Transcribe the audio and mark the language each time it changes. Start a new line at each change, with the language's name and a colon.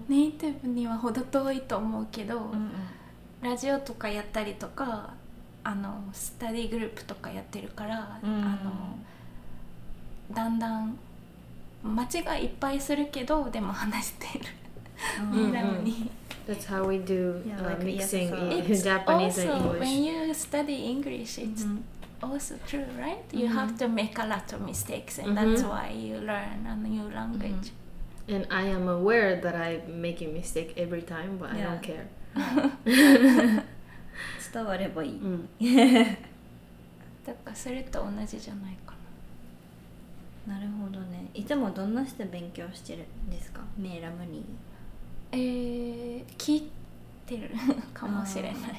Japanese: ネイティブには程遠いと思うけど、うんうん、ラジオとかやったりとか、あのスタディグループとかやってるから、うんうん、あのだんだん間違いいっぱいするけど、でも話してる、ミラムに。
English: That's how we do mixing in Japanese and English. When you study English, it's、mm-hmm. also true, right? You、mm-hmm. have to make a lot of mistakes, and、mm-hmm. that's why you learn a new language.、 Mm-hmm. And I am aware that I'm making mistake every time, but、yeah. I don't care.
Japanese: 伝わればいい。だからそれと同じじゃないかな。なるほどね。いつもどんな人で勉強してるんですか、メーラムニー。聞いてるかもしれない。